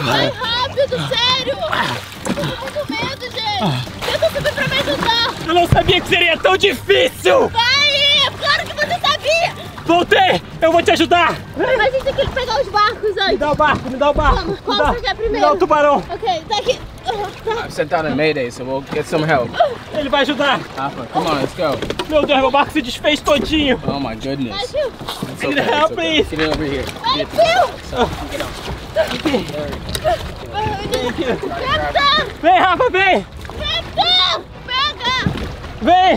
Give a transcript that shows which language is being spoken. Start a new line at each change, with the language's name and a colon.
Portuguese: Vai rápido, sério. Eu não sabia que seria tão difícil! Vai! Claro que você sabia! Voltei! Eu vou te ajudar! Mas a gente tem que pegar os barcos antes! Me dá o barco! Vamos! Qual você quer primeiro? Me dá o tubarão! Ok, tá aqui!
English: I've sent down a mayday, so we'll get some help.
Portuguese: Ele vai ajudar!
English: Rafa, come on, let's go!
Portuguese: Meu Deus, meu barco se desfez todinho!
English: Oh my goodness!
Portuguese: Vai,
English: Phil! Okay, help, okay. Please! Get it over here!
Portuguese: Vai,
English: Phil! Get out! Captain!
Portuguese: Vem, Rafa, vem!
English: Captain!
Portuguese: Vem!